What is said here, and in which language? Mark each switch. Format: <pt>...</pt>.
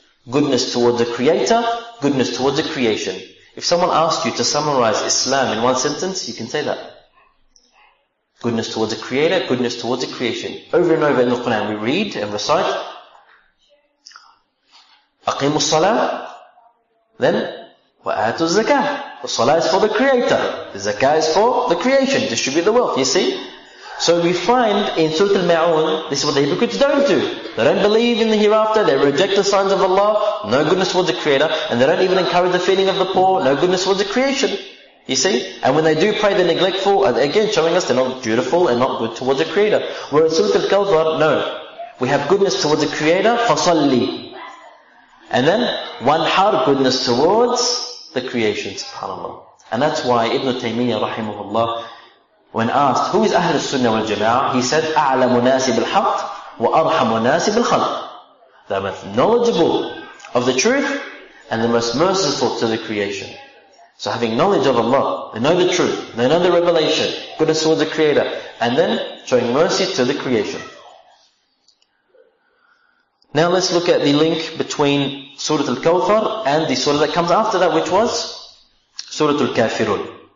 <en>Goodness towards the Creator, goodness towards the creation. If someone asked you to summarize Islam in one sentence, you can say that. Goodness towards the Creator, goodness towards the creation. Over and over in the Quran, we read and recite.</en> <ar>أَقِيمُ الصَّلَاةِ. Then, وَآتُ الزَّكَاةِ.</ar> <en>The salah is for the Creator. The zakah is for the creation. Distribute the wealth, you see. So we find in Surah Al-Ma'un, this is what the hypocrites don't do. They don't believe in the hereafter, they reject the signs of Allah, no goodness towards the Creator, and they don't even encourage the feeding of the poor, no goodness towards the creation. You see? And when they do pray, they're neglectful, again showing us they're not dutiful and not good towards the Creator. Whereas Surah Al-Kawthar, no. We have goodness towards the Creator, فَصَلِّ. And then, one har, goodness towards the creation, subhanAllah. And that's why Ibn Taymiyyah, rahimahullah, when asked, who is Ahlul Sunnah wal Jama'ah? He said,</en> <ar>أَعْلَمُ نَاسِ بِالْحَقِّ وَأَرْحَمُ نَاسِ بِالْخَلْقِ.</ar> <en>The most knowledgeable of the truth and the most merciful to the creation. So having knowledge of Allah, they know the truth, they know the revelation, goodness towards the Creator, and then showing mercy to the creation. Now let's look at the link between Surah Al-Kawthar and the surah that comes after that, which was Surah Al-Kafirun.</en>